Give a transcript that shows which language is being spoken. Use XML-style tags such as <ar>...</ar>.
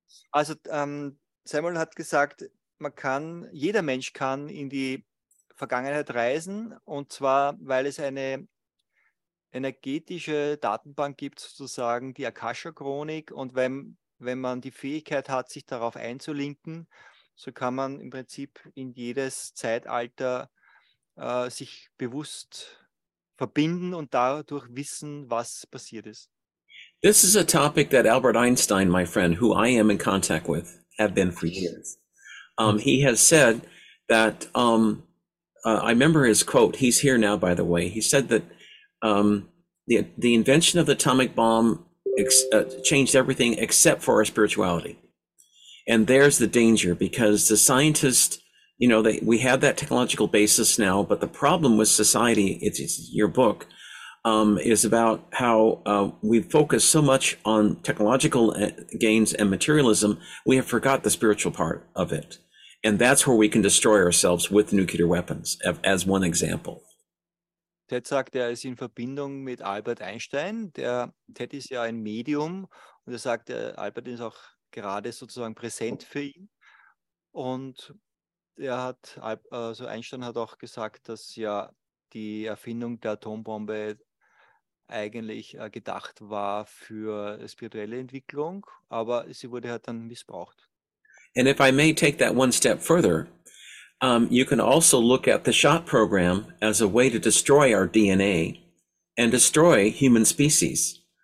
<de>Also, Samuel hat gesagt, jeder Mensch kann in die Vergangenheit reisen, und zwar, weil es eine energetische Datenbank gibt, sozusagen die Akasha-Chronik, und wenn man die Fähigkeit hat, sich darauf einzulinken, so kann man im Prinzip in jedes Zeitalter sich bewusst verbinden und dadurch wissen, was passiert ist.</de> <en>This is a topic that Albert Einstein, my friend, who I am in contact with, have been for years. He has said that, I remember his quote, he's here now, by the way, he said that the invention of the atomic bomb changed everything except for our spirituality. And there's the danger, because the scientists, you know, we have that technological basis now, but the problem with society, it's your book, is about how we focus so much on technological gains and materialism, we have forgot the spiritual part of it. And that's where we can destroy ourselves with nuclear weapons, as one example.</en> <de>Ted sagt, er ist in Verbindung mit Albert Einstein. Ted ist ja ein Medium, und er sagt, Albert ist auch gerade sozusagen präsent für ihn. Und Einstein hat auch gesagt, dass ja die Erfindung der Atombombe eigentlich gedacht war für spirituelle Entwicklung, aber sie wurde halt dann missbraucht.</de> <en>And if I may take that one step further, you can also look at the SHOT program as a way to destroy our DNA and destroy human species.</en>